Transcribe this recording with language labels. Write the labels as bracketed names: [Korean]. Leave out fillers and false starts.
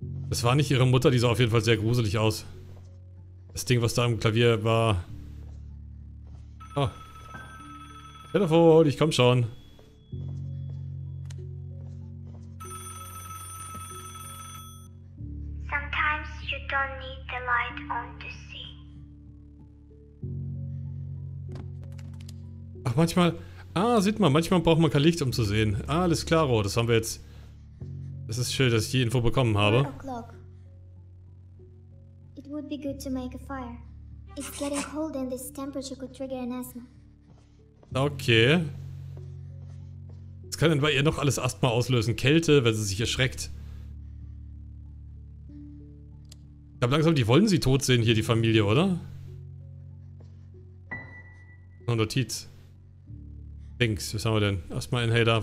[German] Das war nicht ihre Mutter, die sah auf jeden Fall sehr gruselig aus. Das Ding, was da am Klavier war. Oh. Telefon, ich komm schon. [English] Sometimes you don't need the light on to see. [German] Ach, manchmal. Ah, sieht man, manchmal braucht man kein Licht, um zu sehen. Ah, alles klar, oh, das haben wir jetzt. Das ist schön, dass ich die Info bekommen habe. [English] It would be good to make a fire. It's getting cold and this temperature could trigger an asthma. Okay. [German] Das kann denn bei ihr noch alles Asthma auslösen? Kälte, wenn sie sich erschreckt. Ich glaube langsam, die wollen sie tot sehen hier, die Familie, oder? Nur Notiz. Links. Was haben wir denn? Erstmal ein Hater.